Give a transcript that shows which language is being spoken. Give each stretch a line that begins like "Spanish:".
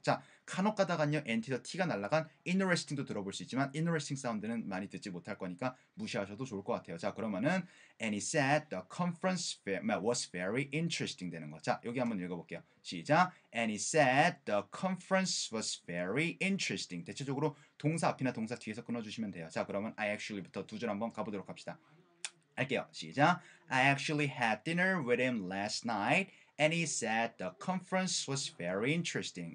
Korean: 자, 간혹 가다가요 NT에서 T가 날아간 interesting도 들어볼 수 있지만 interesting 사운드는 많이 듣지 못할 거니까 무시하셔도 좋을 것 같아요. 자, 그러면은
English: and he said the conference was very interesting
Korean: 되는 거. 자, 여기 한번 읽어볼게요. 시작!
English: and he said the conference was very interesting.
Korean: 대체적으로 동사 앞이나 동사 뒤에서 끊어주시면 돼요. 자, 그러면 I actually부터 두 줄 한번 가보도록 합시다. 할게요. 시작!
English: I actually had dinner with him last night. And he said the conference was very interesting.